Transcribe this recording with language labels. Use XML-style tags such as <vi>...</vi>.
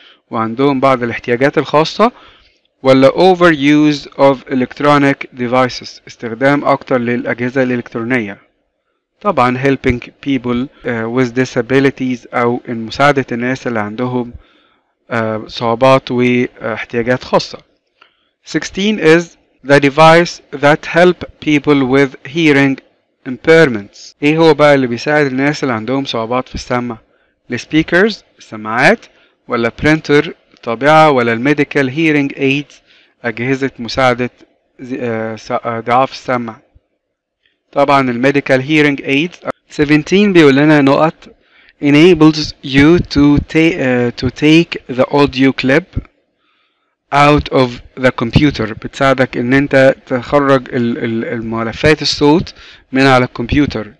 <ar>وعندهم بعض الاحتياجات الخاصة، ولا</ar> <en>overuse of electronic devices،</en> <ar>استخدام أكتر للأجهزة الإلكترونية. طبعا</ar> <en>helping people with disabilities</en> <ar>أو مساعدة الناس اللي عندهم صعوبات واحتياجات خاصة.</ar> <en>16 is the device that help people with hearing impairments.</en> <ar>ايه هو بقى اللي بيساعد الناس اللي عندهم صعوبات في السمع؟ السبيكرز السماعات، ولا برينتر الطابعة، ولا الميديكال هيرينج ايدز اجهزة مساعدة ضعاف السمع؟ طبعا الميديكال هيرينج ايدز 17 بيقول لنا نقط</ar> <en>enables you to take the audio clip out of the computer،</en> <ar>بتساعدك ان انت تخرج الملفات الصوت من على الكمبيوتر.</ar>